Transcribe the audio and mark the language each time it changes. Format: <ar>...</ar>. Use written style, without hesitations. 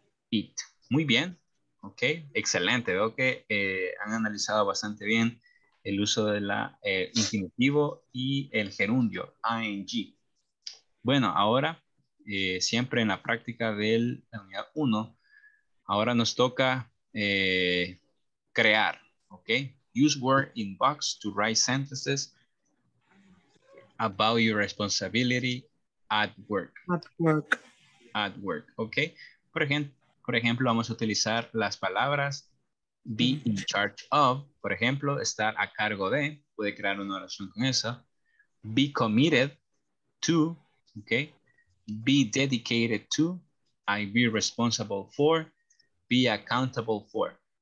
<es>It. Muy bien, ok, excelente. Veo que han analizado bastante bien el uso de la infinitivo y el gerundio, ing. Bueno, ahora, siempre en la práctica de la unidad 1, ahora nos toca crear, ok.</es> <en>Use word in box to write sentences about your responsibility at work. At work. At work, ok.</en> <es>Por ejemplo, vamos a utilizar las palabras</es> <en>be in charge of,</en> <es>por ejemplo, estar a cargo de, puede crear una oración con eso,</es> <en>be committed to, okay, be dedicated to, I be responsible for, be accountable for.</en>